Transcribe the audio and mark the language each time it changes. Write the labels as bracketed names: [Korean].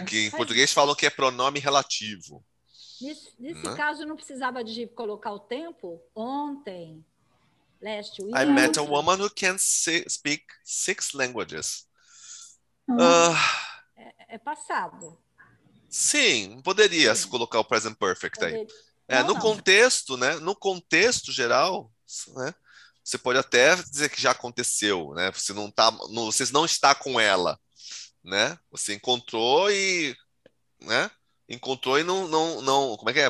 [Portuguese] Que em português falam que é pronome relativo. Nesse caso, não precisava de colocar o tempo? Ontem, [English] last week. I met a woman who can speak six languages. [Portuguese] É passado. Sim, poderia se colocar o present perfect aí. No contexto, né? No contexto geral, né? Você pode até dizer que já aconteceu, né? Você não está, você não está com ela, né? Você encontrou e, né? Encontrou e não, como é que é?